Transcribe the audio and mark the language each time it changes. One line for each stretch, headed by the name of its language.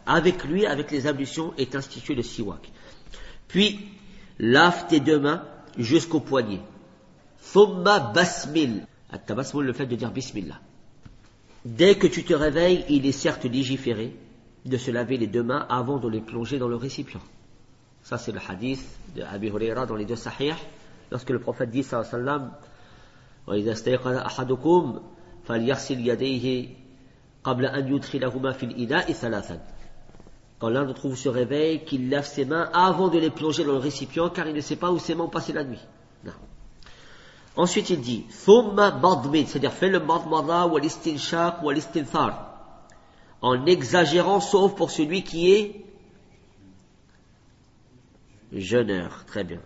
French: Avec lui, avec les ablutions, est institué le siwak. Puis, lave tes deux mains jusqu'au poignet.
Arabic: Thumma basmil.
French: At-tabasmul, le fait de dire bismillah. Dès que tu te réveilles, il est certes légiféré de se laver les deux mains avant de les plonger dans le récipient. Ça, c'est le hadith de Abi Huraira dans les deux sahih. Lorsque le prophète dit,
Arabic: sallallahu alayhi wa sallam, وَإِذَا اسْتَيْقَظَ أَحَدُكُمْ فَلْيَغْسِلْ يَدَيْهِ قَبْلَ أَنْ يُدْخِلَهُمَا فِي الْإِنَاءِ ثَلَاثًا.
French: Quand l'un d'entre vous se réveille, qu'il lave ses mains avant de les plonger dans le récipient, car il ne sait pas où ses mains ont passé la nuit. Non. Ensuite, il dit ثُمَّ مَضْمِدْ, c'est-à-dire fais le مَضْمَضَ وَالِسْتِنْشَاقُ وَالِسْتِنْثَارُ, en exagérant sauf pour celui qui est jeûneur. Très bien.